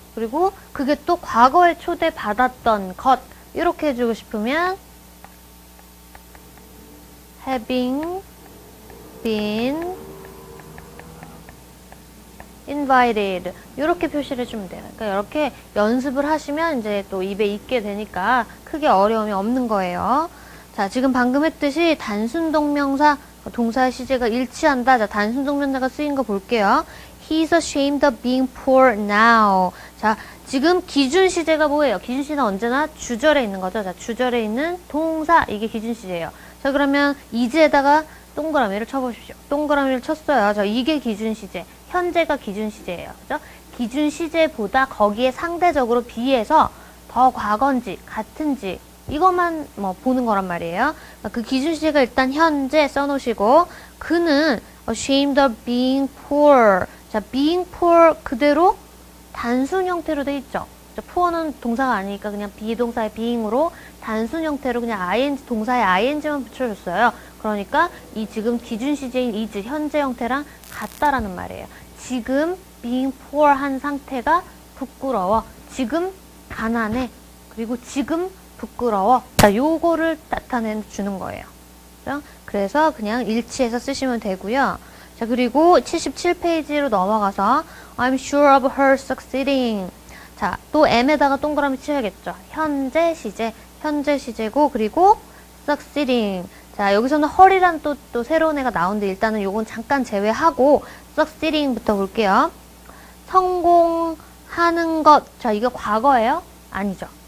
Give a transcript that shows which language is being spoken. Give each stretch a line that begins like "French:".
Korean: 그리고 그게 또 과거에 초대받았던 것 이렇게 해주고 싶으면
English: having been invited
Korean: 이렇게 표시를 해주면 돼요. 그러니까 이렇게 연습을 하시면 이제 또 입에 익게 되니까 크게 어려움이 없는 거예요. 자, 지금 방금 했듯이 단순 동명사 동사의 시제가 일치한다. 자, 단순 속면제가 쓰인 거 볼게요.
English: He's ashamed of being poor now.
Korean: 자, 지금 기준 시제가 뭐예요? 기준 시제는 언제나 주절에 있는 거죠. 자, 주절에 있는 동사, 이게 기준 시제예요. 자, 그러면 is에다가 동그라미를 쳐보십시오. 동그라미를 쳤어요. 자, 이게 기준 시제. 현재가 기준 시제예요. 그죠? 기준 시제보다 거기에 상대적으로 비해서 더 과거인지, 같은지, 이것만 뭐 보는 거란 말이에요. 그 기준 시제가 일단 현재 써놓으시고, 그는
English: ashamed of being poor.
Korean: 자,
English: being poor
Korean: 그대로 단순 형태로 돼 있죠. 자, poor는 동사가 아니니까 그냥 be 동사의 being으로 단순 형태로 그냥 ing, 동사의 ing만 붙여줬어요. 그러니까 이 지금 기준 시제인 is 현재 형태랑 같다라는 말이에요. 지금
English: being poor
Korean: 한 상태가 부끄러워. 지금 가난해. 그리고 지금 부끄러워. 자, 요거를 나타내 주는 거예요. 그렇죠? 그래서 그냥 일치해서 쓰시면 되고요. 자, 그리고 77페이지로 넘어가서
English: I'm sure of her succeeding.
Korean: 자, 또 M에다가 동그라미 치워야겠죠. 현재 시제. 현재 시제고 그리고 succeeding. 자, 여기서는 her이란 또 새로운 애가 나오는데 일단은 요건 잠깐 제외하고 succeeding부터 볼게요. 성공하는 것. 자, 이거 과거예요? 아니죠.